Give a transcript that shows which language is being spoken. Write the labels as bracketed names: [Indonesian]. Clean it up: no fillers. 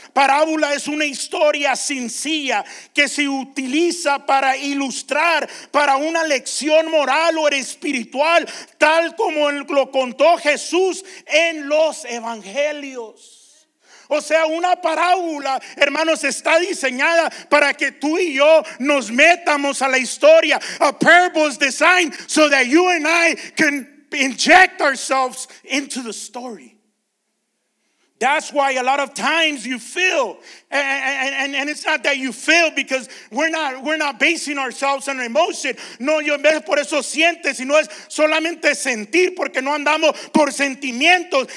[Spanish] Parábola es una historia sencilla que se utiliza para ilustrar, para una lección moral o espiritual, tal como lo contó Jesús en los evangelios. O sea, una parábola, hermanos, está diseñada para que tú y yo nos metamos a la historia. [English] A parable is designed so that you and I can inject ourselves into the story. That's why a lot of times you feel, and it's not that you feel because we're not basing ourselves on emotion. [Spanish] No, yo en vez por eso sientes, sino es solamente sentir, porque no andamos por sentimientos.